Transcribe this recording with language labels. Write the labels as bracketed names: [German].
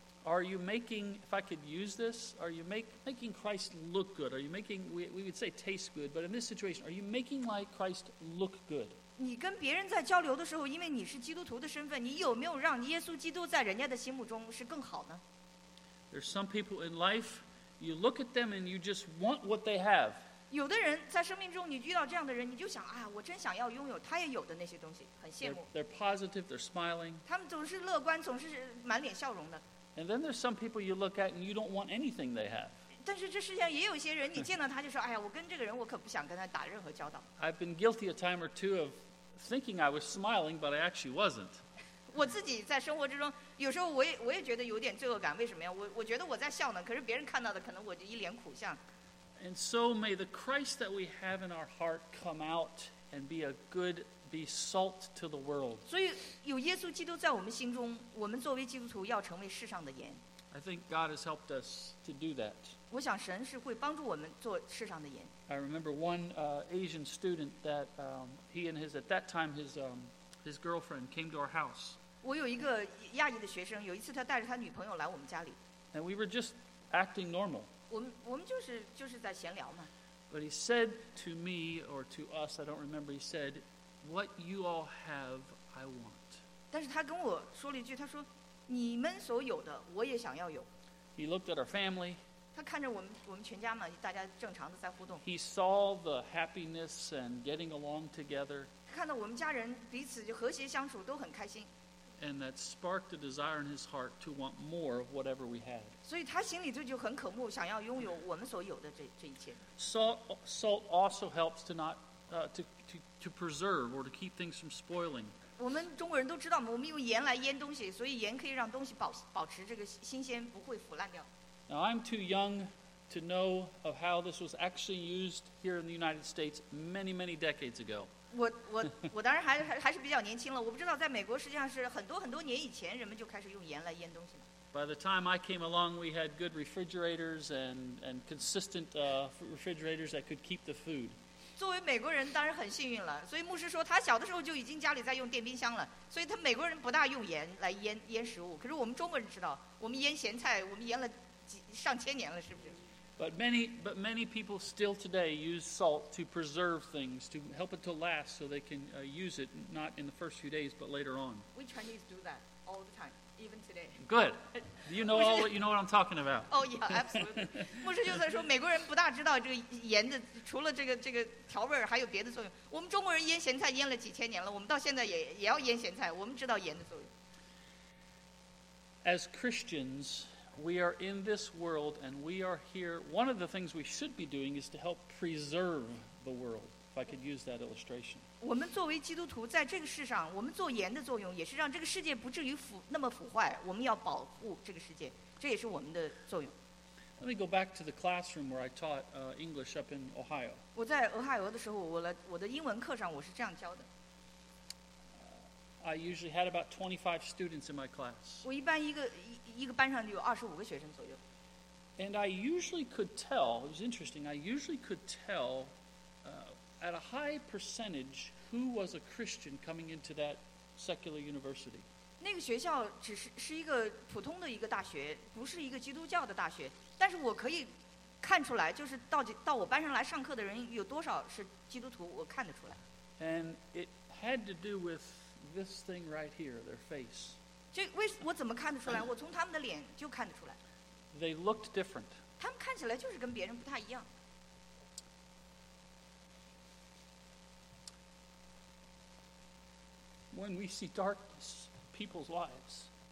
[English] ，Are you making, if I could use this, are you making Christ look good? Are you making, we would say taste good, but in this situation, are you making like Christ look good? [Chinese] 你跟别人在交流的时候，因为你是基督徒的身份，你有没有让耶稣基督在人家的心目中是更好呢 [English] There's some people in life, you look at them and you just want what they have. [Chinese] 有的人在生命中你遇到这样的人你就想啊，我真想要拥有他也有的那些东西很羡慕 [English] they're positive, they're smiling. [Chinese] 他们总是乐观总是满脸笑容的 [English] And then there's some people you look at and you don't want anything they have. [Chinese] 但是这世界也有一些人你见到他就说哎呀，我跟这个人我可不想跟他打任何交道 [English] I've been guilty a time or two of thinking I was smiling but I actually wasn't. [Chinese] 我自己在生活之中有时候我也觉得有点罪恶感为什么呀 我觉得我在笑呢可是别人看到的可能我就一脸苦相 [English] And so may the Christ that we have in our heart come out and be a good, be salt to the world. [Chinese] 所以有耶稣基督在我们心中，我们作为基督徒要成为世上的盐。 [English] I think God has helped us to do that. [Chinese] 我想神是会帮助我们做世上的盐。 [English] I remember one Asian student that he and his at that time his girlfriend came to our house. [Chinese] 我有一个亚裔的学生，有一次他带着他女朋友来我们家里。 [English] And we were just acting normal. [Chinese] We在闲聊嘛。 [English] But he said to me or to us, I don't remember. He said, "What you all have, I want." [Chinese] 但是他跟我说了一句，他说，你们所有的我也想要有。 [English] He looked at our family. [Chinese] 他看着我们全家嘛，大家正常的在互动。 [English] He saw the happiness and getting along together. [Chinese] 看到我们家人彼此就和谐相处，都很开心。 [English] And that sparked a desire in his heart to want more of whatever we had. [Chinese] 所以他心里就很渴慕，想要拥有我们所有的这一切。 [English] Salt also helps to not to preserve or to keep things from spoiling. [Chinese] 我们中国人都知道嘛，我们用盐来腌东西，所以盐可以让东西保持这个新鲜，不会腐烂掉。 [English] Now I'm too young to know of how this was actually used here in the United States many many decades ago. [Chinese] 我当然还是比较年轻了，我不知道在美国实际上是很多很多年以前人们就开始用盐来腌东西了。 [English] By the time I came along, we had good refrigerators and consistent refrigerators that could keep the food. [Chinese] 作为美国人当然很幸运了，所以牧师说他小的时候就已经家里在用电冰箱了，所以他美国人不大用盐来腌食物。可是我们中国人知道，我们腌咸菜，我们腌了上千年了，是不是？ [English] But many people still today use salt to preserve things, to help it to last so they can use it not in the first few days, but later on. We Chinese do that all the time, even today. Good. You know what I'm talking about. Oh, yeah, absolutely. [Chinese] 牧师就在说美国人不大知道这个盐的除了这个调味还有别的作用。我们中国人腌咸菜腌了几千年了我们到现在也要腌咸菜我们知道盐的作用。 [English] As Christians, We are in this world and we are here. One of the things we should be doing is to help preserve the world, if I could use that illustration. [Chinese] 我们作为基督徒在这个世上我们做盐的作用也是让这个世界不至于那么腐坏我们要保护这个世界这也是我们的作用。 [English] Let me go back to the classroom where I taught English up in Ohio. [Chinese] 我在俄亥俄的时候我的英文课上我是这样教的。 [English] I usually had about 25 students in my class. [Chinese] 我一般一个班上就有25个学生左右。 [English] And I usually could tell, it was interesting, I usually could tell at a high percentage who was a Christian coming into that secular university. [Chinese] 那个学校只是一个普通的一个大学不是一个基督教的大学但是我可以看出来就是到我班上来上课的人有多少是基督徒我看得出来。 [English] And it had to do with this thing right here, their face. [Chinese] 我怎么看得出来？我从他们的脸就看得出来。 [English] They looked different. [Chinese] 他们看起来就是跟别人不太一样。 [English] When we see darkness in people's lives,